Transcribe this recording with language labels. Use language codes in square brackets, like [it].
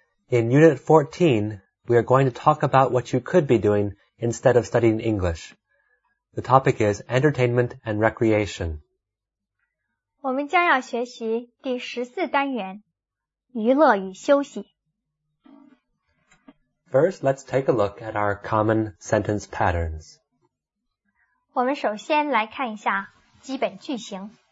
[en] In Unit 14, we are going to talk about what you could be doing instead of studying English. The topic is entertainment and recreation. [zh] 我们将要学习第十四单元，娱乐与休息。 [en] First, let's take a look at our common sentence patterns. [zh] 我们首先来看一下基本句型。